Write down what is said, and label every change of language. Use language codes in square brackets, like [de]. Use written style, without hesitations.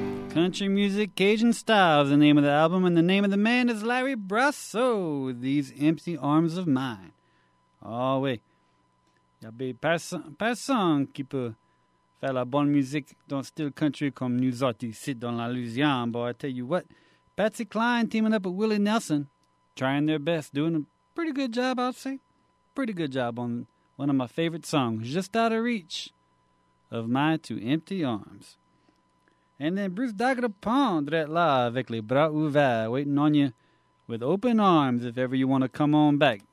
[en] Country Music Cajun Style is the name of the album, and the name of the man is Larry Brasso. These Empty Arms of Mine. Oh, wait. [fr] Y'a be personne qui peut faire la bonne musique dans still country comme nous autres ici dans la Louisiane. [en] But I tell you what, Patsy Cline teaming up with Willie Nelson, trying their best, doing a pretty good job, I'll say. Pretty good job on one of my favorite songs, Just Out of Reach of My Two Empty Arms. And then Bruce Dagrapondre [fr] là avec les bras ouverts, [en] waiting on you with open arms if ever you want to come on back.